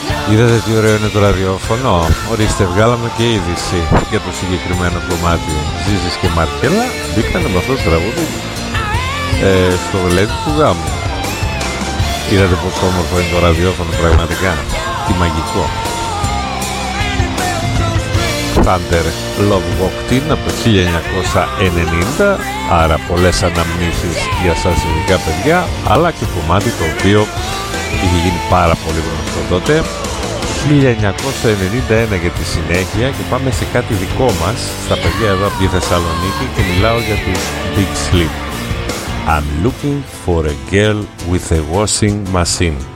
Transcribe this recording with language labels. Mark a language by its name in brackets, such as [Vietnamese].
[Greek] Είδατε τι ωραίο είναι το ραδιόφωνο. Ορίστε, βγάλαμε και είδηση για το συγκεκριμένο κομμάτι. Ζήζης και Μαρκέλα μπήκαν με αυτό το τραγούδι στο βελέτη του γάμου. Είδατε πόσο όμορφο είναι το ραδιόφωνο πραγματικά. Τι μαγικό. Thunder Love Walk Team από 1990. Άρα πολλές αναμνήσεις για σας ειδικά παιδιά, αλλά και κομμάτι το οποίο είχε γίνει πάρα πολύ γνωστό τότε. 1991 για τη συνέχεια, και πάμε σε κάτι δικό μας, στα παιδιά εδώ από τη Θεσσαλονίκη, και μιλάω για τους Big Sleep. [English] I'm looking for a girl with a washing machine.